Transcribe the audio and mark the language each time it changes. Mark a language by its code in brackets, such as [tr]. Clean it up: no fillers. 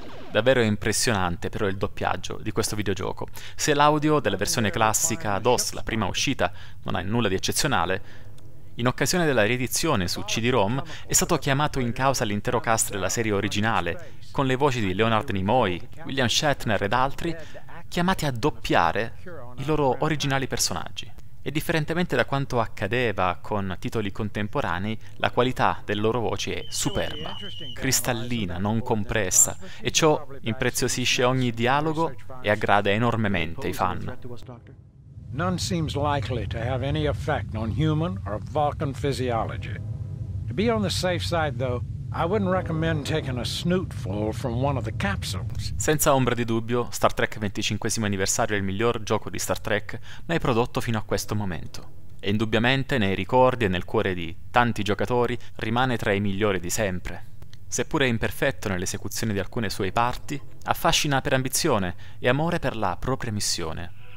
[it] Davvero impressionante però il doppiaggio di questo videogioco. Se l'audio della versione classica DOS, la prima uscita, non ha nulla di eccezionale, in occasione della riedizione su CD-ROM è stato chiamato in causa l'intero cast della serie originale, con le voci di Leonard Nimoy, William Shatner ed altri, chiamati a doppiare i loro originali personaggi. E differentemente da quanto accadeva con titoli contemporanei, la qualità delle loro voci è superba, cristallina, non compressa, e ciò impreziosisce ogni dialogo e aggrada enormemente i fan. [en] None seems likely to have any effect on human or Vulcan physiology. To be on the safe side though, I wouldn't recommend taking a snootful from one of the capsules. [it] Senza ombra di dubbio, Star Trek 25° anniversario è il miglior gioco di Star Trek mai prodotto fino a questo momento. E indubbiamente nei ricordi e nel cuore di tanti giocatori rimane tra i migliori di sempre. Seppure imperfetto nell'esecuzione di alcune sue parti, affascina per ambizione e amore per la propria missione.